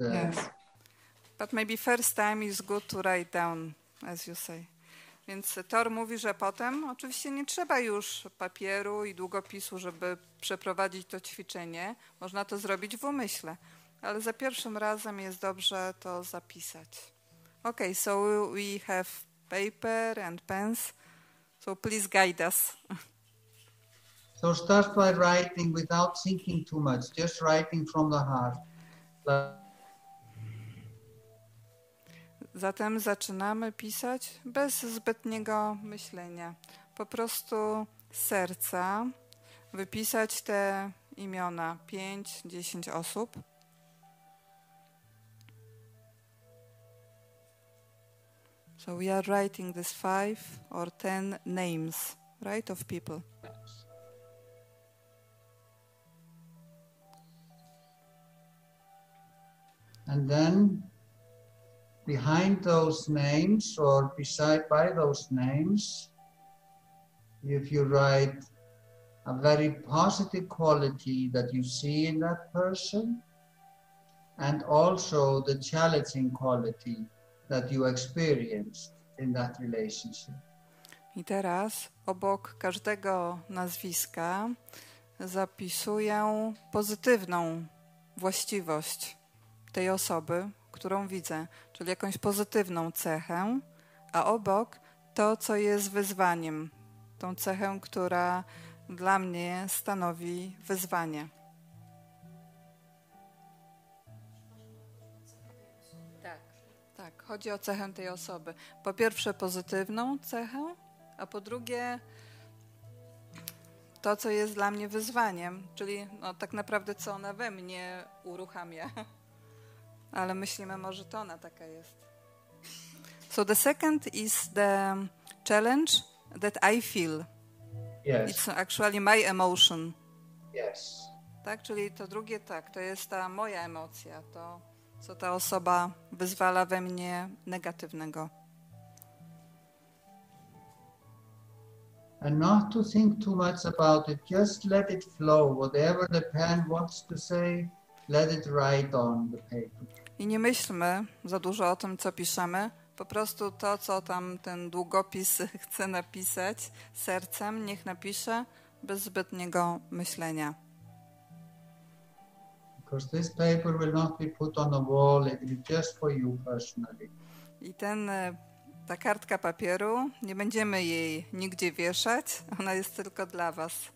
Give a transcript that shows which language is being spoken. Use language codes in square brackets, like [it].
[en] Yes, but maybe first time is good to write down, as you say. [pl] Więc Thor mówi, że potem oczywiście nie trzeba już papieru i długopisu, żeby przeprowadzić to ćwiczenie. Można to zrobić w umyśle, ale za pierwszym razem jest dobrze to zapisać. [en] Okay, so we have paper and pens, so please guide us. So start by writing without thinking too much, just writing from the heart. [pl] Zatem zaczynamy pisać bez zbytniego myślenia. Po prostu z serca wypisać te imiona, 5-10 osób. [en] So we are writing this 5 or 10 names, right, of people. And then behind those names or beside by those names, if you write a very positive quality that you see in that person and also the challenging quality that you experienced in that relationship. [pl] I teraz obok każdego nazwiska zapisuję pozytywną właściwość tej osoby, którą widzę, czyli jakąś pozytywną cechę, a obok to, co jest wyzwaniem, tą cechę, która dla mnie stanowi wyzwanie. Tak, tak, chodzi o cechę tej osoby. Po pierwsze pozytywną cechę, a po drugie to, co jest dla mnie wyzwaniem, czyli no, tak naprawdę co ona we mnie uruchamia. Ale myślimy, może to ona taka jest. [en] So the second is the challenge that I feel. Yes. It's actually my emotion. Yes. [pl] Tak, czyli to drugie tak, to jest ta moja emocja, to co ta osoba wyzwala we mnie negatywnego. [en] And not to think too much about it, just let it flow, whatever the pen wants to say, let it write on the paper. [pl] I nie myślmy za dużo o tym, co piszemy. Po prostu to, co tam ten długopis chce napisać sercem, niech napisze bez zbytniego myślenia. [en] Because this paper will not be put on the wall, it will be just for you personally. [pl] I ta kartka papieru, nie będziemy jej nigdzie wieszać, ona jest tylko dla was.